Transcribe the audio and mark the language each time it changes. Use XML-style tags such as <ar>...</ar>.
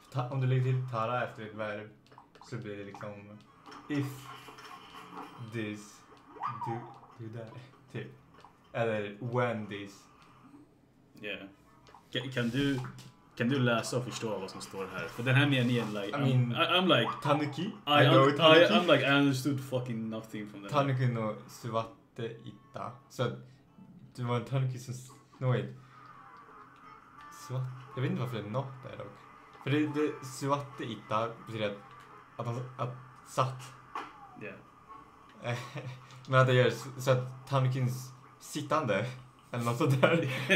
<sv>Om du lägger till tara efter ett verb så blir det liksom...</sv> <en>If this...</en> <sv>Du där, typ. Eller Wendy's.</sv> <en>Yeah.</en> <sv>Kan du läsa och förstå vad som står här? För den här meningen, like...</sv> <en>I'm like...</en> <ja>Tanuki?</ja> <en>I'm like, I understood fucking nothing from that.</en> <ja>Tanuki no suwatte itta.</ja> <sv>Så, det var en tanuki som snöjt. Suwatte... Jag vet inte varför det är något där dock. För det suwatte itta betyder att satt.</sv> <en>Yeah.</en> <sv>Men att det gör så att tanukins sittande eller något sånt där.</sv>